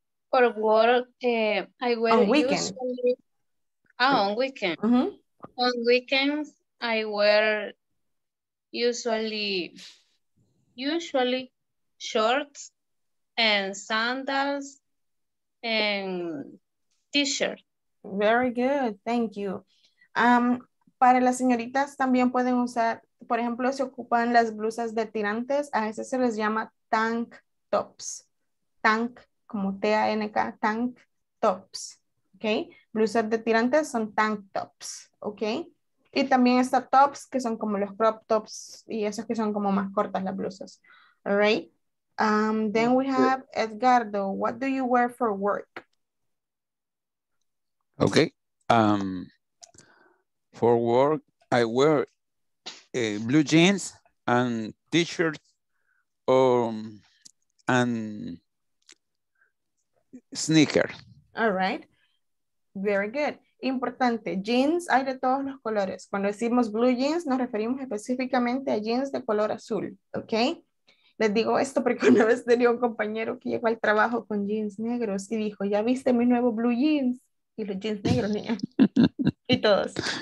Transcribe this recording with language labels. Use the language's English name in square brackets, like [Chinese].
[English] For work, I wear on weekends. On weekends. Mm-hmm. On weekends, I wear usually shorts and sandals and t-shirt. Very good, thank you. [Spanish] Para las señoritas también pueden usar, por ejemplo, si ocupan las blusas de tirantes, a veces se les llama tank tops. Tank, como T-A-N-K, tank tops. Okay, blusas de tirantes son tank tops. Okay. Y también está tops, que son como los crop tops, y esos que son como más cortas las blusas. [English] All right. Then we have Edgardo. What do you wear for work? Okay. For work, I wear blue jeans and t-shirt and sneaker. All right. Very good. [Spanish] Importante, jeans hay de todos los colores. Cuando decimos blue jeans, nos referimos específicamente a jeans de color azul, ¿ok? Les digo esto porque una vez tenía un compañero que llegó al trabajo con jeans negros y dijo, ¿ya viste mi nuevo blue jeans? Y los jeans negros, niña. Y todos.